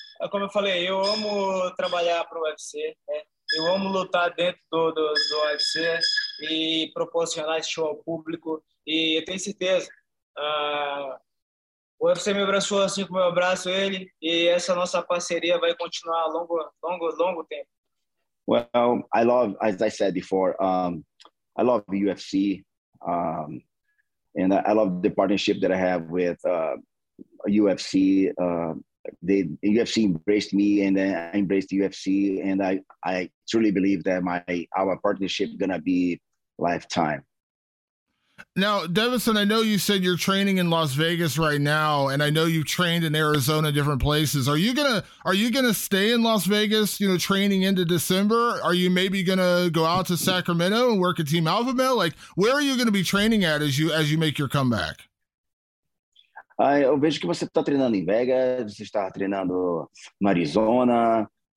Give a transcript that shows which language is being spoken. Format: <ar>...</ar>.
<pt>Como eu falei, eu amo trabalhar para o UFC, né? Eu amo lutar dentro do UFC e proporcionar esse show ao público. E eu tenho certeza, o UFC me abraçou assim como eu abraço ele, e essa nossa parceria vai continuar longo tempo.</pt> <en>Well, I love, as I said before, I love UFC, and I love the partnership that I have with UFC. The UFC embraced me, and I embraced the UFC, and I truly believe that our partnership is gonna be lifetime. Now, Devinson, I know you said you're training in Las Vegas right now, and I know you've trained in Arizona, different places. Are you gonna stay in Las Vegas, training into December? Are you maybe gonna go out to Sacramento and work at Team Alpha Male? Like, where are you gonna be training at as you make your comeback?</en> <pt>Eu vejo que você está treinando em Vegas, você está treinando no Arizona.</pt>